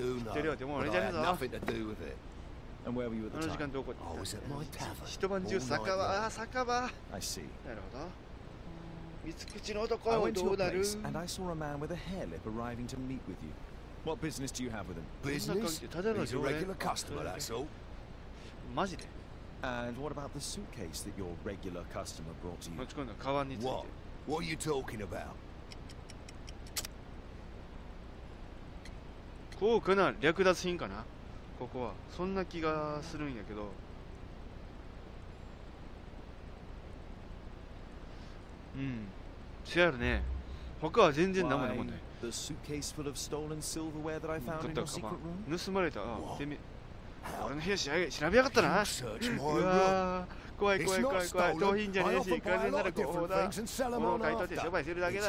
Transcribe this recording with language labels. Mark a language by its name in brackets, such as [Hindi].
[Japanese] ってるよ、でも俺じゃねえぞ。あの時間どこに行ったんだよ。一晩中酒場、酒場。なるほど。三つ口の男はどうなる。 [English] And I saw a man with a hair lip arriving to meet with you. What business do you have with him? Business? He's a regular customer, that's all. [Japanese] マジで? [English] And what about the suitcase that your regular customer brought to you? What? What are you talking about? [Japanese] 高価な略奪品かな?ここは。そんな気がするんやけど。せやるね。他は全然何もないもんね。 [English] The suitcase full of stolen silverware that I found in your secret room. [Japanese] 盗まれた。てめえ、俺の部屋調べ、調べやがったな。うわー、怖い怖い怖い怖い。盗品じゃねえし、完全なる強盗だ。物を買い取って商売するだけだ。